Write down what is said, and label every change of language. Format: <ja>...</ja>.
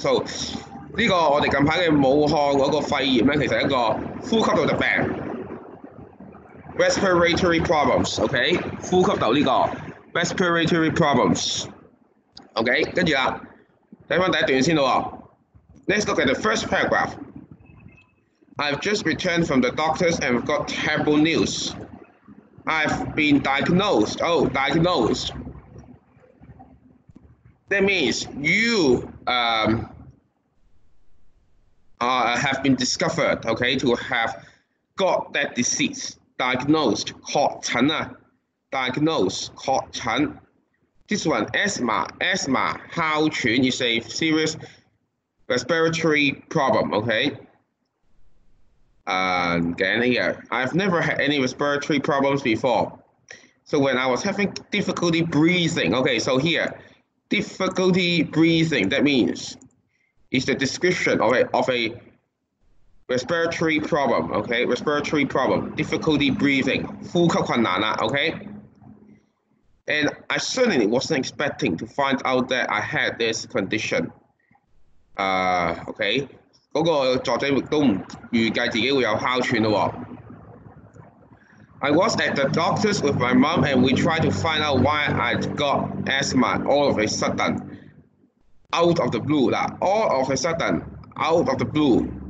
<yue>So, 呢個我哋近排嘅武漢嗰個肺炎咧，其實一個呼吸道疾病 ，</yue> <en>respiratory problems, okay,</en> <yue>呼吸道呢個 respiratory problems, okay. 跟住啦，睇翻第一段先咯。</yue> <en>Let's look at the first paragraph. I've just returned from the doctors and got terrible news. I've been diagnosed. Oh, diagnosed. That means you have been discovered, okay, to have got that disease, diagnosed,</en> <yue>確診啊,</yue> <en>diagnosed, 確診. This one, asthma, 哮喘, is a serious respiratory problem, okay? Again, here, I've never had any respiratory problems before. So when I was having difficulty breathing, okay, so here,Difficulty breathing, that means it's the description of a respiratory problem, okay? Respiratory problem, difficulty breathing,</en> <yue>呼吸困難啊,</yue> <en>okay? And I certainly wasn't expecting to find out that I had this condition, okay?</en> <yue>那個作者都不預計自己會有哮喘的喎。</yue> <en>I was at the doctor's with my mom and we tried to find out why I'd got asthma all of a sudden, out of the blue. All of a sudden, out of the blue.</en>